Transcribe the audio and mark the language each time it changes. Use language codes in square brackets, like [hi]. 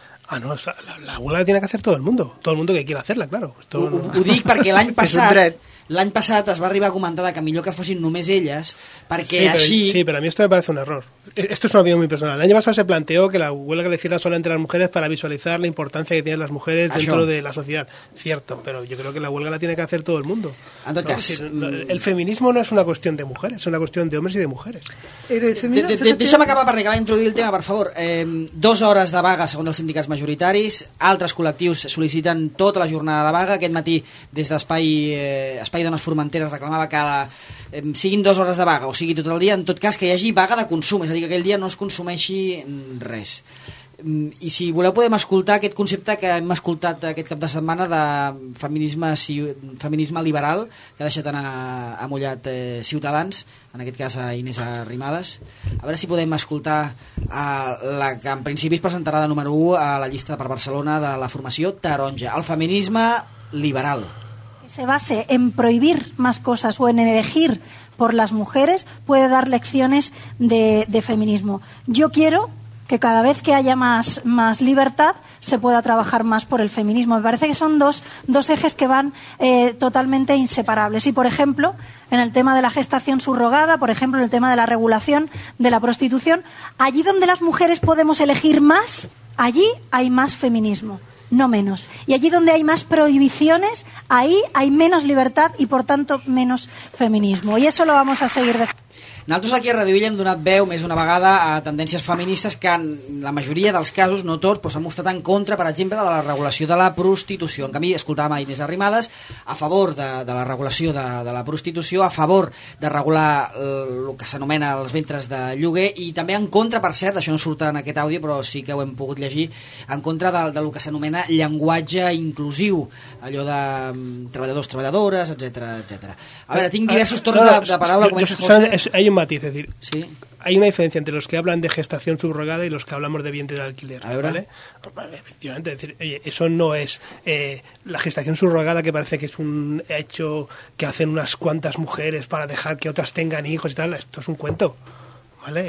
[es] Ah, no, la huelga tiene que hacer todo el mundo que quiera hacerla, claro. [ca] Ho dic perquè l'any passat... L'any passat es va arribar a comentar que millor que fossin només elles, perquè sí, així... [es] Sí, pero a mí esto me parece un error. Esto es una opinión muy personal. El año pasado se planteó que la huelga le hiciera solo entre las mujeres para visualizar la importancia que tienen las mujeres dentro de la sociedad. Cierto, pero yo creo que la huelga la tiene que hacer todo el mundo. Entonces, ¿no? El feminismo no es una cuestión de mujeres, es una cuestión de hombres y de mujeres. [ca] Deixa'm acabar perquè acabar d'introduir el tema, per favor. 2 hores de vaga, segons els sindicats majoritaris. Altres col·lectius sol·liciten tota la jornada de vaga. Aquest matí, des d'Espai... Espai Dones Formenteres reclamava que siguin 2 hores de vaga, o sigui tot el dia, en tot cas que hi hagi vaga de consum, és a dir, que aquell dia no es consumeixi res. I si voleu podem escoltar aquest concepte que hem escoltat aquest cap de setmana de feminisme liberal, que ha deixat anar amollat Ciutadans, en aquest cas a Inés Arrimadas. A veure si podem escoltar la que en principi es presentarà de número 1 a la llista per Barcelona de la formació Taronja, el feminisme liberal. [es] Se base en prohibir más cosas o en elegir por las mujeres, puede dar lecciones de feminismo. Yo quiero que cada vez que haya más libertad se pueda trabajar más por el feminismo. Me parece que son dos ejes que van totalmente inseparables. Y, por ejemplo, en el tema de la gestación subrogada, por ejemplo, en el tema de la regulación de la prostitución, allí donde las mujeres podemos elegir más, allí hay más feminismo. No menos. Y allí donde hay más prohibiciones, ahí hay menos libertad y, por tanto, menos feminismo. Y eso lo vamos a seguir de... [ca] Nosaltres aquí a Radio Villa hem donat veu més d'una vegada a tendències feministes que en la majoria dels casos, no tots, s'han mostrat en contra, per exemple, de la regulació de la prostitució. En canvi, escoltàvem a Inés Arrimadas a favor de la regulació de la prostitució, a favor de regular el que s'anomena els ventres de lloguer i també en contra, per cert, això no surt en aquest àudio, però sí que ho hem pogut llegir, en contra de lo que s'anomena llenguatge inclusiu, allò de treballadors, treballadores, etcètera, etcètera. A veure, tinc diversos torns de paraula, comença José. [es] Hay un matiz, es decir, ¿sí? Hay una diferencia entre los que hablan de gestación subrogada y los que hablamos de vientre de alquiler, ¿vale? Efectivamente, es decir, oye, eso no es la gestación subrogada, que parece que es un hecho que hacen unas cuantas mujeres para dejar que otras tengan hijos y tal, esto es un cuento, ¿vale?